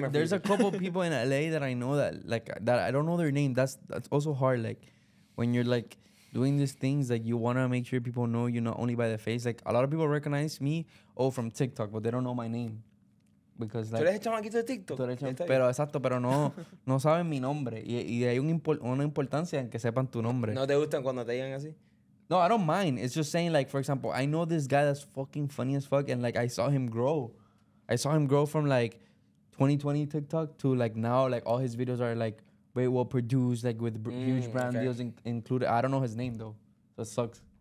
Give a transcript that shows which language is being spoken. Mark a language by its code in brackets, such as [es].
[en] There's a couple people in LA that I know that I don't know their name. That's also hard. Like, when you're like doing these things, like you want to make sure people know you not only by the face. Like, a lot of people recognize me, from TikTok, but they don't know my name. Because like, [es] tú eres el chamaquito de TikTok. Pero exacto, pero no saben mi nombre. Y hay una importancia en que sepan tu nombre. ¿No te gustan cuando te digan así? [en] No, I don't mind. It's just saying, like, for example, I know this guy that's fucking funny as fuck, and like, I saw him grow. I saw him grow from like 2020 TikTok to like now, like all his videos are like very well produced, like with huge brand deals included. I don't know his name though. That sucks.